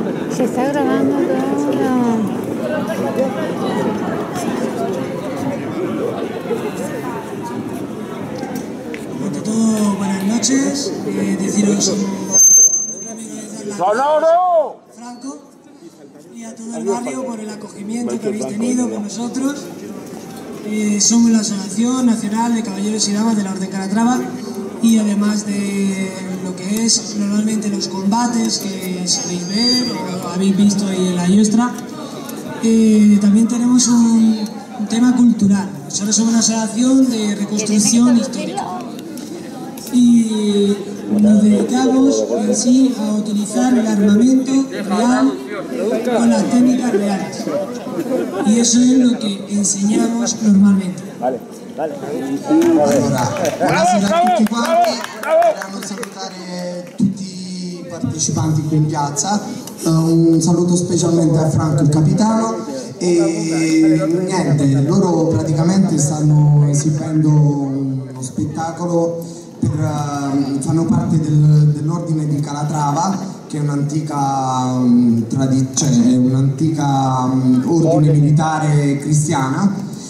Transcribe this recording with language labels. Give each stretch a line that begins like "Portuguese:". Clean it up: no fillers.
Italian: Se sta gravando ancora. Buongiorno a tutti,
Spanish: buonas noches. Deciros un amigo de Sonoro Franco y a todo el barrio por el acogimiento que habéis tenido con nosotros. Somos la Asociación Nacional de Caballeros y Damas de la Orden Calatrava. Y además de lo que es normalmente los combates que sabéis ver o habéis visto ahí en la diestra, también tenemos un tema cultural. Nosotros somos una asociación de reconstrucción histórica y nos dedicamos en sí a utilizar el armamento real con las técnicas reales, y eso es lo que enseñamos normalmente.
Italian: Allora, buonasera a tutti quanti, volevo salutare tutti i partecipanti qui in piazza, un saluto specialmente a Franco il capitano, e niente, loro praticamente stanno esibendo uno spettacolo, fanno parte dell'ordine di Calatrava, che è un'antica ordine militare cristiana.